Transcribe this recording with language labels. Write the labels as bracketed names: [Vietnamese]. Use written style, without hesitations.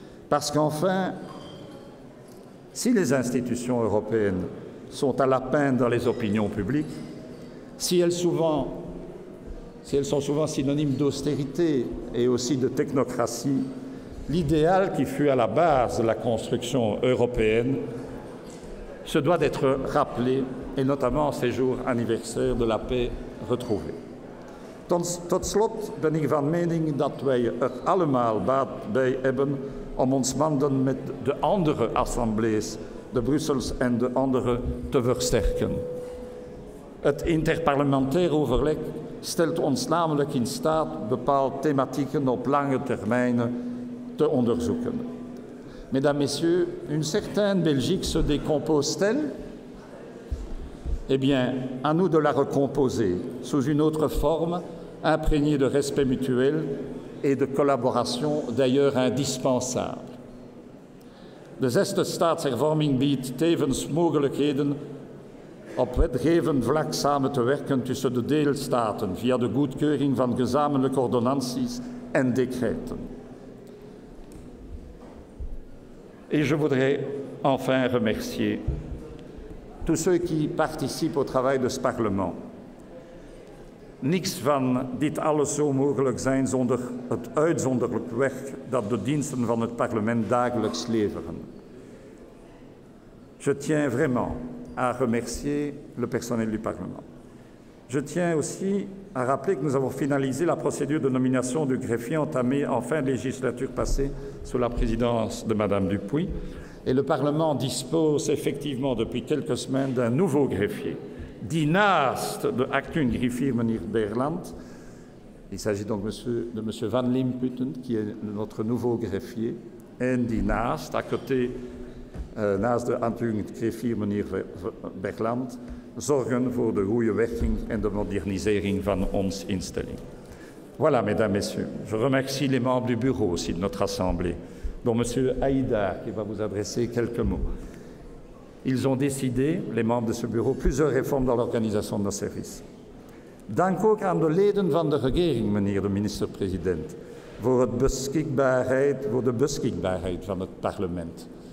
[French] Parce qu'enfin, si les institutions européennes sont à la peine dans les opinions publiques, si elles sont souvent synonymes d'austérité et aussi de technocratie, l'idéal qui fut à la base de la construction européenne se doit d'être rappelé, et notamment en ces jours anniversaires de la paix retrouvée. [Dutch] Tot slot ben ik van mening dat wij er allemaal baat bij hebben om ons banden met de andere assemblées, de Brussels en de andere, te versterken. Het interparlementaire overleg stelt ons namelijk in staat bepaalde thématiques op lange termijn te onderzoeken. [French] Mesdames, Messieurs, une certaine Belgique se décompose-t-elle? Eh bien, à nous de la recomposer sous une autre forme, imprégnée de respect mutuel et de collaboration d'ailleurs indispensable. [Dutch] De zesde staatshervorming biedt tevens mogelijkheden op wetgevend vlak samen te werken tussen de deelstaten via de goedkeuring van gezamenlijke ordonnanties en decreten. [French] Et je voudrais enfin remercier tous ceux qui participent au travail de ce Parlement. [Dutch] Niks van dit alles zou mogelijk zijn zonder het uitzonderlijk werk dat de diensten van het Parlement dagelijks leveren. [French] Je tiens vraiment à remercier le personnel du Parlement. Je tiens aussi à rappeler que nous avons finalisé la procédure de nomination du greffier entamée en fin de législature passée sous la présidence de Mme Dupuy. Et le Parlement dispose effectivement depuis quelques semaines d'un nouveau greffier, [Dutch] dit naast de Actune Griffier, meneer Berland. [French] Il s'agit donc de M. Van Limputten, qui est notre nouveau greffier, et [Dutch] dit naast, [French] à côté, [Dutch] naast de Actune Griffier, meneer Berland. Zorgen voor de goede werking en de modernisering van ons instelling. [French] Voilà, mesdames, messieurs. Je remercie les membres du bureau aussi de notre assemblée, dont M. Haïdar, qui va vous adresser quelques mots. Ils ont décidé, les membres de ce bureau, plusieurs réformes dans l'organisation de nos services. [Dutch] Dank ook aan de leden van de regering, meneer de minister-president, voor de beschikbaarheid van het parlement.